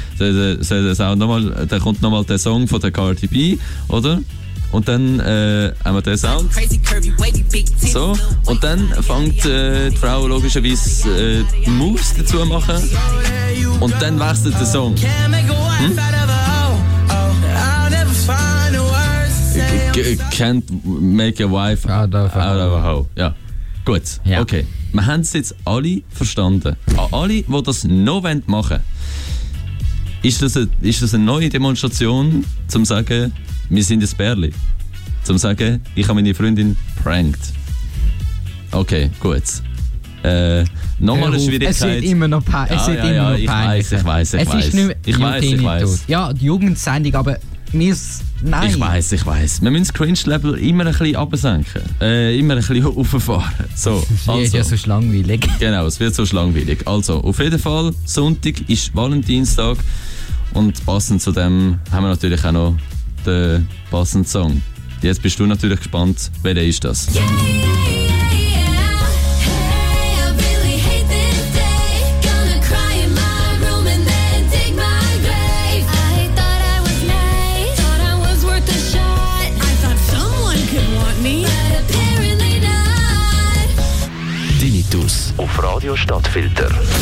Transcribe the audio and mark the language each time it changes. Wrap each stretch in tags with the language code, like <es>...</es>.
<de>Dann kommt nochmal der Song von der Cardi B, oder? Und dann haben wir den Sound. So. Und dann fängt die Frau logischerweise die Moves dazu zu machen. Und dann wechselt der Song.</de> <en>Can't make a wife out of a hoe.</en> <de>Ja. Gut. Ja. Okay. Wir haben es jetzt alle verstanden. An alle, die das noch machen wollen. Ist das eine neue Demonstration, zum sagen, wir sind ein Bärli? Zum sagen, ich habe meine Freundin prankt. Okay, gut. Nochmal eine Schwierigkeit. Es sieht immer noch peinlich. Ich weiß. Ja, die Jugendsendung, aber mir ist. Nein. Ich weiß. Wir müssen das Cringe-Level immer ein bisschen absenken. Immer ein bisschen hochfahren. So, es wird ja so langweilig. Genau, es wird so langweilig. Also, auf jeden Fall, Sonntag ist Valentinstag. Und passend zu dem haben wir natürlich auch noch den passenden Song. Jetzt bist du natürlich gespannt, wer ist das?</de> <en>Yeah, yeah, yeah. Hey, I really hate this day. Gonna cry in my room and then dig my grave. I thought I was nice. Thought I was worth a shot. I thought someone could want me. But apparently not.</en> <de>Tinnitus auf Radio Stadtfilter.</de>